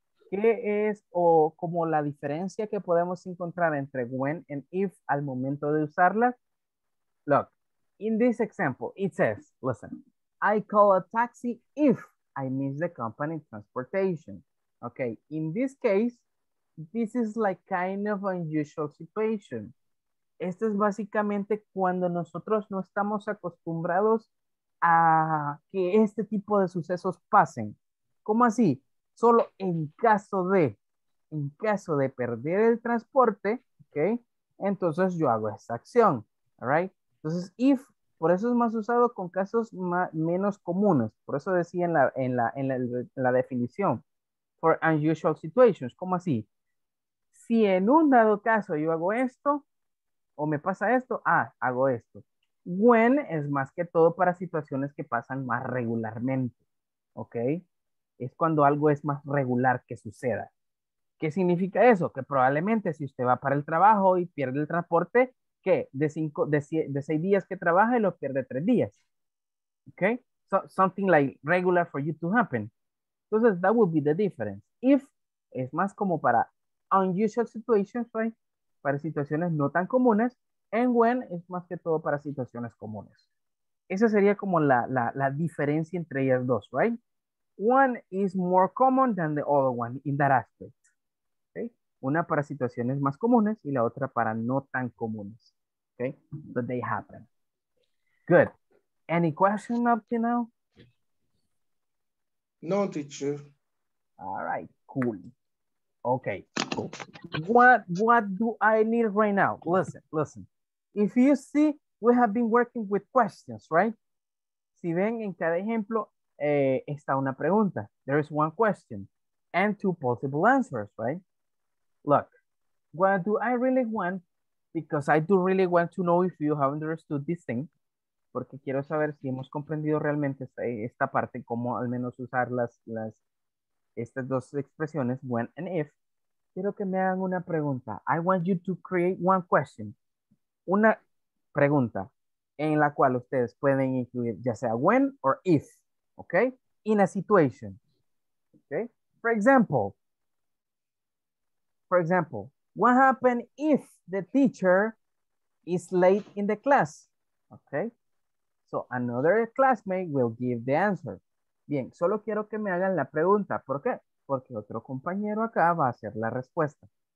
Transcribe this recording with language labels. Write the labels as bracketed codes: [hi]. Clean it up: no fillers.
[es] ¿Qué es o como la diferencia que podemos encontrar entre when and if al momento de usarla? [en] Look, in this example, it says, listen, I call a taxi if I miss the company transportation. Okay, in this case, this is like kind of unusual situation. [es] Esto es básicamente cuando nosotros no estamos acostumbrados a que este tipo de sucesos pasen. ¿Cómo así? Solo en caso de perder el transporte, okay, entonces yo hago esta acción, all right? Entonces, if, por eso es más usado con casos menos comunes, por eso decía en la definición, [en] for unusual situations, [es] ¿cómo así? Si en un dado caso yo hago esto, o me pasa esto, hago esto. When es más que todo para situaciones que pasan más regularmente, okay. Es cuando algo es más regular que suceda. ¿Qué significa eso? Que probablemente si usted va para el trabajo y pierde el transporte, ¿qué? De seis días que trabaja y lo pierde tres días. Okay? [en] So, something like regular for you to happen. Entonces, that would be the difference. [es] If es más como para [en] unusual situations, [es] right? Para situaciones no tan comunes. And when es más que todo para situaciones comunes. Esa sería como la diferencia entre ellas dos, right? [en] One is more common than the other one in that aspect. Okay? [es] Una para situaciones más comunes y la otra para no tan comunes. [en] Okay? But they happen. Good. Any question up to now? No, teacher. All right. Cool. Okay. Cool. What do I need right now? Listen. If you see, we have been working with questions, right? [es] Si ven en cada ejemplo, está una pregunta. [en] There is one question and two possible answers, right? Look, what do I really want? Because I do really want to know if you have understood this thing. [es] Porque quiero saber si hemos comprendido realmente esta parte, cómo al menos usar estas dos expresiones, when and if. Quiero que me hagan una pregunta. [en] I want you to create one question. [es] Una pregunta en la cual ustedes pueden incluir ya sea when or if. [en] Okay, in a situation. Okay, for example, what happened if the teacher is late in the class? Okay, so another classmate will give the answer. [es] Bien, solo quiero que me hagan la pregunta. ¿Por qué? Porque otro compañero acá va a hacer la respuesta.